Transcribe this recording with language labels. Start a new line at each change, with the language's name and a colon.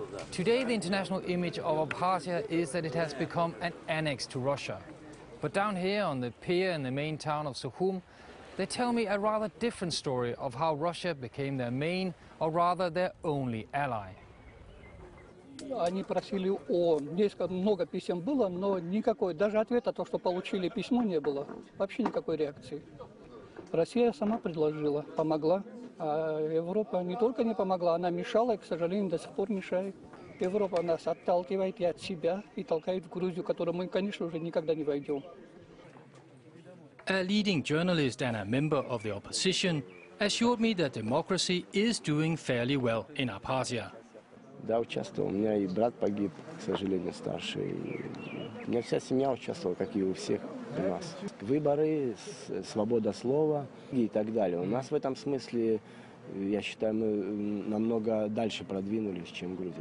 English: Today, the international image of Abkhazia is that it has become an annex to Russia. But down here on the pier in the main town of Suhum, they tell me a rather different story of how Russia became their main, or rather their only ally.
Russian: Они просили ООН. Несколько много писем было, но никакой, даже ответа то, что получили письмо, не было. Вообще никакой реакции. Россия сама предложила, помогла. А Европа не только не помогла, она мешала и, к сожалению, до сих пор мешает. Европа нас отталкивает и от себя, и толкает в Грузию, в которую мы, конечно, уже никогда не войдем.
English: A leading journalist and a member of the opposition assured me that democracy is doing fairly well in Abkhazia.
Russian: Да, участвовал. У меня и брат погиб, к сожалению, старший. У меня вся семья участвовала, как и у всех у нас. Выборы, свобода слова и так далее. У нас в этом смысле, я считаю, мы намного дальше продвинулись, чем Грузия.